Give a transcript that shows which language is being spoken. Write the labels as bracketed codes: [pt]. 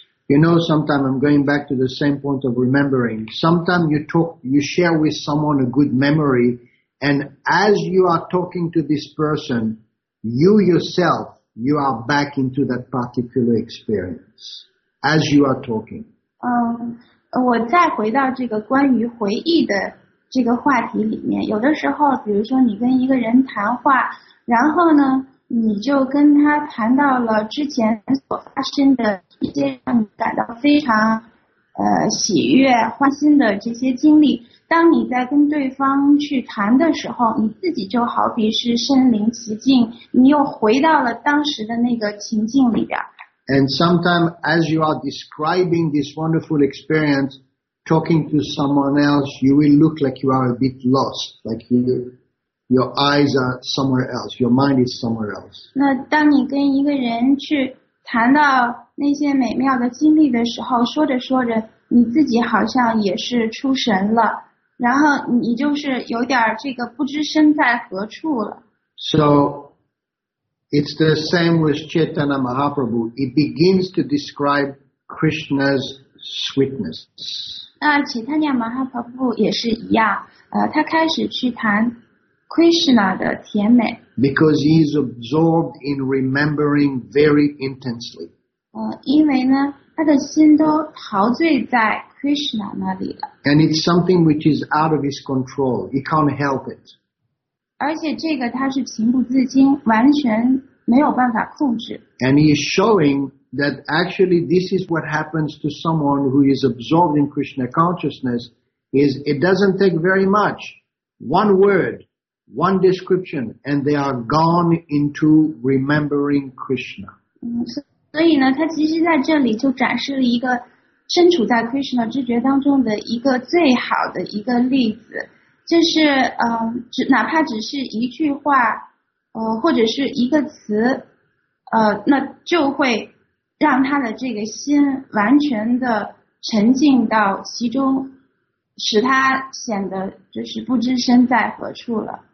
[en] You know, sometimes I'm going back to the same point of remembering. Sometimes you share with someone a good memory, and as you are talking to this person, you yourself, you are back into that particular experience. As you are talking, [zh] 我再回到这个关于回忆的这个话题里面。有的时候，比如说你跟一个人谈话，然后呢，你就跟他谈到了之前所发生的一些让你感到非常喜悦、欢欣的这些经历。当你在跟对方去谈的时候，你自己就好比是身临其境，你又回到了当时的那个情境里边。 [en] And sometimes as you are describing this wonderful experience, talking to someone else, you will look like you are a bit lost, like your eyes are somewhere else, your mind is somewhere else. [zh] 那当你跟一个人去谈到那些美妙的经历的时候，说着说着，你自己好像也是出神了，然后你就是有点这个不知身在何处了。 [en] So, it's the same with Chaitanya Mahaprabhu. It begins to describe Krishna's sweetness. [zh] 那 Chaitanya Mahaprabhu 也是一样，他开始去谈 Krishna 的甜美。 [en] Because he is absorbed in remembering very intensely. [zh] 因为呢，他的心都陶醉在 Krishna 那里了。 [en] And it's something which is out of his control. He can't help it. [zh] 而且这个他是情不自禁，完全没有办法控制。 [en] And he is showing that actually this is what happens to someone who is absorbed in Krishna consciousness. Is it doesn't take very much. One word. One description, and they are gone into remembering Krishna. [zh] 所以呢，他其实在这里就展示了一个身处在 Krishna 知觉当中的一个最好的一个例子，就是哪怕只是一句话，或者是一个词，那就会让他的这个心完全的沉浸到其中，使他显得就是不知身在何处了。